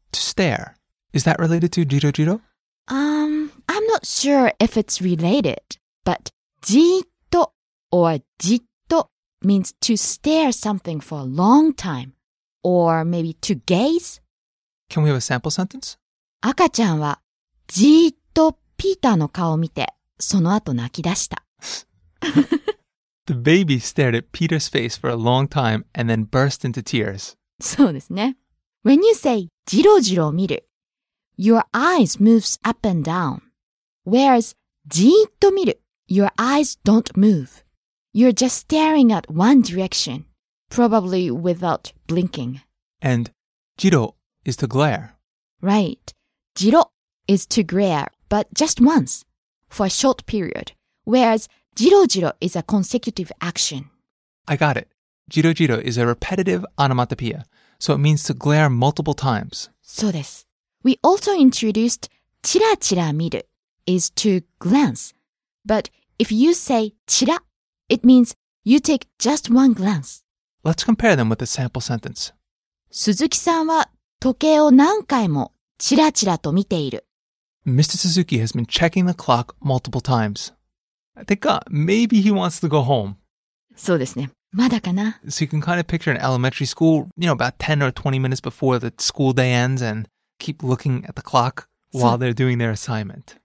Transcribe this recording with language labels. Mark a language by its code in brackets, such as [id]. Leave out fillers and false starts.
[en] To stare. Is that related to jiro jiro? I'm not sure if it's related, but ji to or ji to means to stare something for a long time, or maybe to gaze. Can we have a sample sentence? [ja] 赤ちゃんはじっとピーターの顔を見て、その後泣き出した。 [en] The baby stared at Peter's face for a long time and then burst into tears. [ja] そうですね。 [en] When you say じろじろ見る、your eyes moves up and down. Whereas じっと見る、your eyes don't move. You're just staring at one direction, probably without blinking. And じろ is to glare. Right. じろ is to glare, but just once, for a short period. Whereas Jiro-jiro is a consecutive action. I got it. Jiro-jiro is a repetitive onomatopoeia, so it means to glare multiple times. [ja] そうです。 [en] We also introduced chira-chira miru is to glance. But if you say chira, it means you take just one glance. Let's compare them with a sample sentence. [ja] 鈴木さんは時計を何回もチラチラと見ている。 [en] Mr. Suzuki has been checking the clock multiple times. I think maybe he wants to go home. [ja] そうですね。まだかな? [en] So you can kind of picture an elementary school, you know, about 10 or 20 minutes before the school day ends and keep looking at the clock while they're doing their assignment.